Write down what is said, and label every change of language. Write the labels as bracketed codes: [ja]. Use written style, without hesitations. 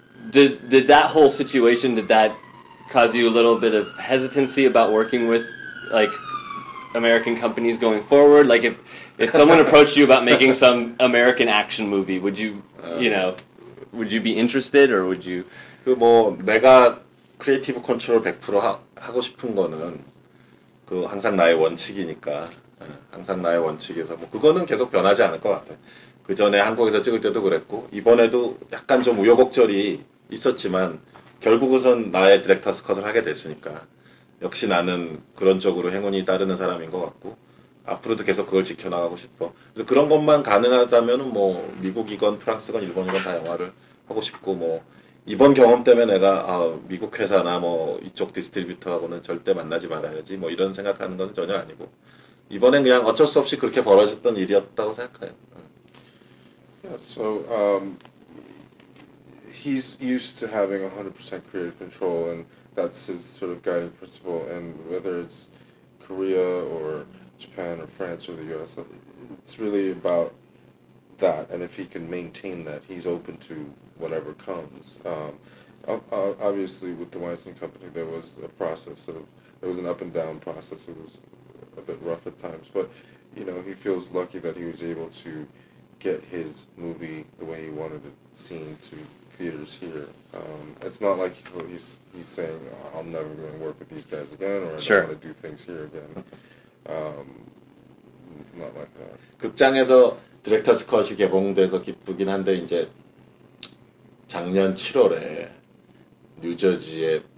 [en] Did that whole situation did that cause you a little bit of hesitancy about working with like American companies going forward? Like if someone approached you about making some American action movie, would you? You know, would you be interested or would you? [ko] 그 뭐 내가 크리에이티브 컨트롤 100% 하고 싶은 거는 그 항상 나의 원칙이니까 항상 나의 원칙에서 뭐 그거는 계속 변하지 않을 것 같아. 그 전에 한국에서 찍을 때도 그랬고 이번에도 약간 좀 우여곡절이 있었지만 결국은 나의 디렉터스 컷을 하게 됐으니까 역시 나는 그런 쪽으로 행운이 따르는 사람인 것 같고. 앞으로도 계속 그걸 지켜나가고 싶어. 그래서 그런 것만 가능하다면 뭐 미국이건 프랑스건 일본이건 다 영화를 하고 싶고 뭐 이번 경험 때문에 내가 아 미국 회사나 뭐 이쪽 디스트리뷰터하고는 절대 만나지 말아야지 뭐 이런 생각하는 건 전혀 아니고 이번엔 그냥 어쩔 수 없이 그렇게 벌어졌던 일이었다고 생각해요. [en] Yeah, so he's used to having 100% creative control and that's his sort of guiding principle and whether it's Korea or Japan or France or the US, it's really about that, and if he can maintain that, he's open to whatever comes. Obviously, with the Weinstein Company, there was a process of, it was an up and down process, it was a bit rough at times, but, you know, he feels lucky that he was able to get his movie the way he wanted it seen to theaters here. It's not like he's saying, oh, I'm never going to work with these guys again, or I sure. don't want to do things here again. not like that. [ko] 극장에서 디렉터스 컷이 개봉돼서 기쁘긴 한데 이제 작년 7월에 뉴저지의